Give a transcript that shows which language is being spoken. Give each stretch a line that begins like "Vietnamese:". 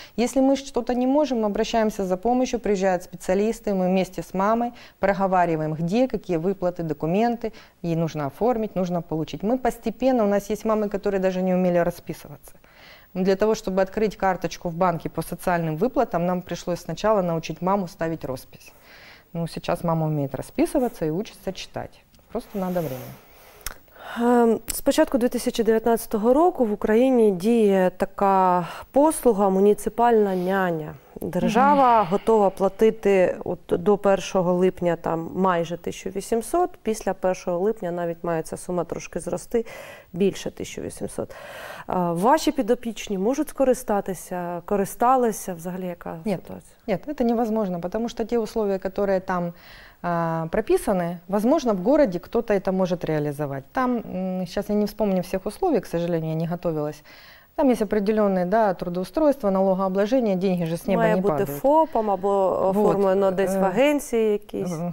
Russian: Если мы что-то не можем, мы обращаемся за помощью, приезжают специалисты, мы вместе с мамой проговариваем, где, какие выплаты, документы ей нужно оформить, нужно получить. Мы постепенно, у нас есть мамы, которые даже не умели расписываться. Для того, чтобы открыть карточку в банке по социальным выплатам, нам пришлось сначала научить маму ставить роспись. Ну, сейчас мама умеет расписываться и учится читать. Просто надо время.
Ukrainian: З початку 2019 року в Україні діє така послуга «Муніципальна няня». Держава готова платити от до 1 липня там майже 1800, після 1 липня навіть має ця сума трошки зрости більше 1800. Ваші підопічні можуть скористатися, користалися взагалі яка ситуація? Ні, це
Russian: невозможно,
Ukrainian: тому що ті умови, які там
Russian: прописаны, возможно, в городе кто-то это может реализовать. Там, сейчас я не вспомню всех условий, к сожалению, я не готовилась. Там есть определенные, да, трудоустройство, налогообложение, деньги же с неба
Ukrainian: Має
Russian: не падают.
Ukrainian: Має бути ФОПом або оформлено вот, десь в агенції якісь.